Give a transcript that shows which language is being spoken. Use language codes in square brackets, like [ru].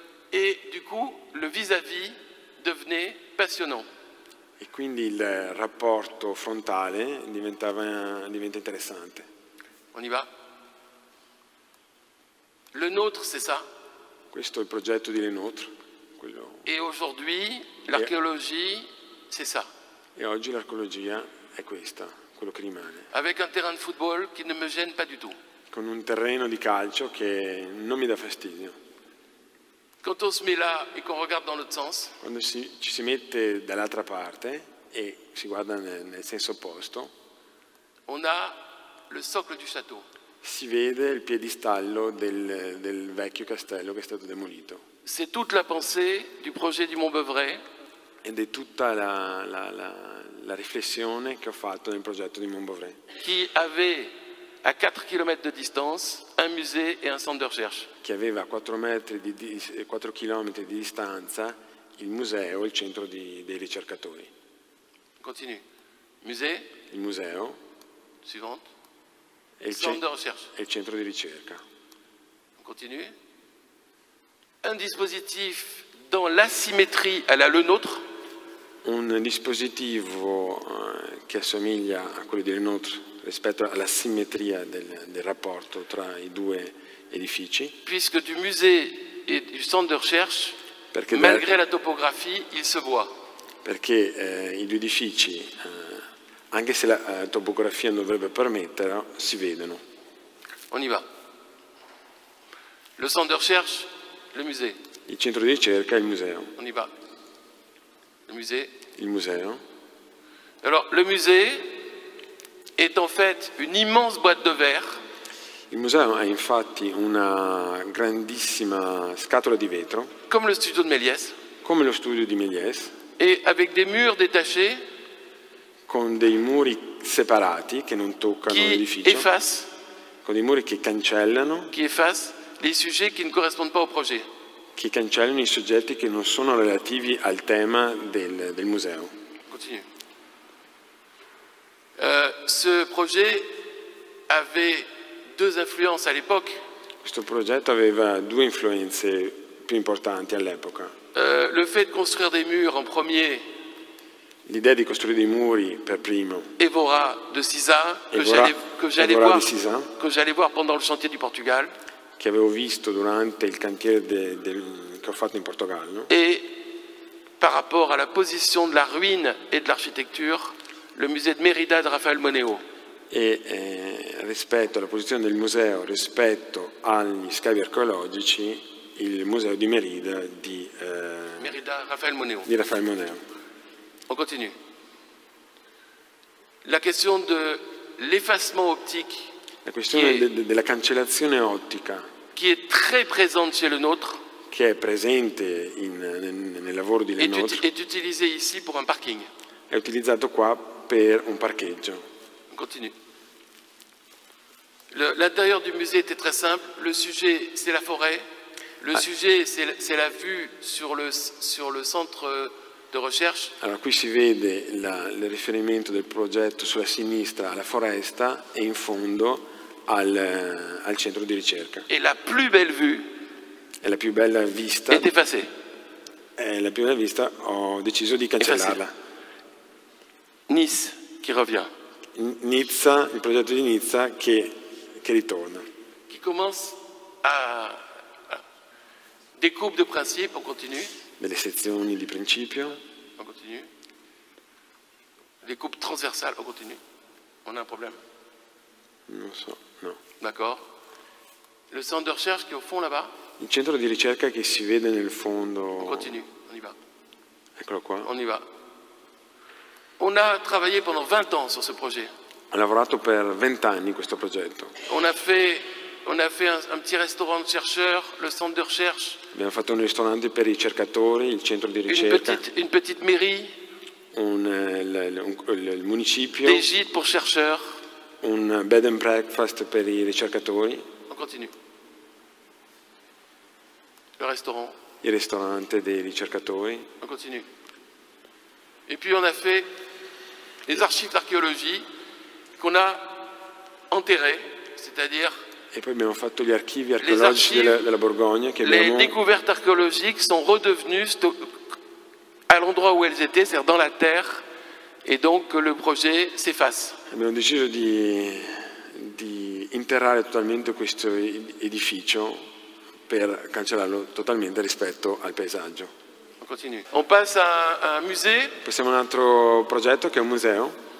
[fr] Et du coup, le vis-à-vis devenait passionnant. [it] E quindi il rapporto frontale diventa interessante. [fr] On y va. Le Nôtre, c'est ça. [it] Questo è il progetto di Le Nôtre. [fr] Et aujourd'hui, l'archéologie, c'est ça. [it] E oggi l'archeologia è questa, quello che rimane. [fr] Avec un terrain de football qui ne me gêne pas du tout. [it] Con un terreno di calcio che non mi dà fastidio. [fr] Quand on se met là et qu'on regarde dans l'autre sens. [it] Quando ci si mette dall'altra parte e si guarda nel senso opposto. [fr] On a le socle du château. [it] Si vede il piedistallo del vecchio castello che è stato demolito. [fr] C'est toute la pensée du projet du Mont Beuvray. [it] Ed è tutta la riflessione che ho fatto nel progetto di Mont Beuvray. [fr] Qui avait à 4 km de distance un musée et un centre de recherche. [it] Che aveva a 4 km di distanza il museo e il centro dei ricercatori. [fr] Continue. Musée. [it] Il museo. [fr] Suivante. Et le centre de recherche. [it] E il centro di ricerca. [fr] Continue. Un dispositif dans l'asymétrie à la Le Nôtre. [it] Un dispositivo che assomiglia a quello di Le Nôtre rispetto alla simmetria del rapporto tra i due edifici. [fr] Puisque du musée et du centre de recherche, [it] perché [fr] malgré la topographie, il se voit. [it] Perché i due edifici, anche se la topografia non dovrebbe permetterla, si vedono. [fr] On y va. Le centre de recherche, le musée. [it] Il centro di ricerca, il museo. [fr] On y va. Le musée. [it] Il museo. [fr] Alors, le musée est en fait une immense boîte de verre. [it] Il museo è infatti una grandissima scatola di vetro. [fr] Comme le studio de Méliès. [it] Come lo studio di Méliès. [fr] Et avec des murs détachés. [it] Con dei muri separati che non toccano l'edificio. [fr] Qui efface. [it] Con dei muri che cancellano. [fr] Qui efface les sujets qui ne correspondent pas au projet. [it] Che cancellano i soggetti che non sono relativi al tema del museo. [fr] Continue. Ce projet avait deux influences à l'époque. [it] Questo progetto aveva due influenze più importanti all'epoca. [fr] Le fait de construire des murs en premier. [it] L'idea di costruire dei muri per primo. [fr] Évora de Siza que j'allais voir pendant le chantier du Portugal. [it] Che avevo visto durante il cantiere che ho fatto in Portogallo. [fr] Et par rapport à la position de la ruine et de l'architecture, le musée de Mérida de Rafael Moneo. [it] Rispetto alla posizione del museo rispetto agli scavi archeologici, il museo di Mérida di Rafael Moneo. [fr] On continue. La question de l'effacement optique. [it] La questione della cancellazione ottica. [fr] Qui est très présente chez le nôtre. [it] Che è presente nel lavoro di Lenotre. [fr] Est utilisé ici pour un parking. [it] È utilizzato qua per un parcheggio. [fr] On continue. L'intérieur du musée était très simple. Le sujet, c'est la forêt. Le sujet, c'est la vue sur le centre de recherche. [it] Alors, qui si vede le riferimento del progetto sulla sinistra alla foresta e in fondo al centro di ricerca. [fr] Et la plus belle vue. [it] Et la più bella vista. [fr] Est effacée. [it] E la più bella vista ho deciso di cancellarla. [fr] Nice qui revient. [it] Nizza, il progetto di Nizza che ritorna. [fr] Qui commence à découpe de principe, on continue. [it] Delle sezioni di principio. [fr] On continue. Découpe transversale, on continue. On a un problème. [it] Non so, no. [fr] D'accord. Le centre de recherche qui est au fond là-bas. [it] Il centro di ricerca che si vede nel fondo. [fr] On continue, on y va. [it] Eccolo qua. [fr] On y va. On a travaillé pendant 20 ans sur ce projet. [it] Ha lavorato per 20 anni questo progetto. [fr] On a fait un petit restaurant de chercheurs, le centre de recherche. [it] Abbiamo fatto un ristorante per i ricercatori, il centro di ricerca. [fr] Une petite mairie. [it] Il municipio. [fr] Des gîtes pour chercheurs. [it] Un bed and breakfast per i ricercatori. [fr] On continue. Le restaurant. [it] Il ristorante dei ricercatori. [fr] On continue. Et puis on a fait les archives d'archéologie qu'on a enterrées, c'est-à-dire. [it] E poi abbiamo fatto gli archivi archeologici della Borgogna che abbiamo. [fr] Les découvertes archéologiques sont redevenues à l'endroit où elles étaient, c'est-à-dire dans la terre, et donc le projet s'efface. [it] Abbiamo deciso di interrare totalmente questo edificio per cancellarlo totalmente rispetto al paesaggio. [fr] On continue. On passe à un musée. [it] Passiamo a un altro progetto che è un museo.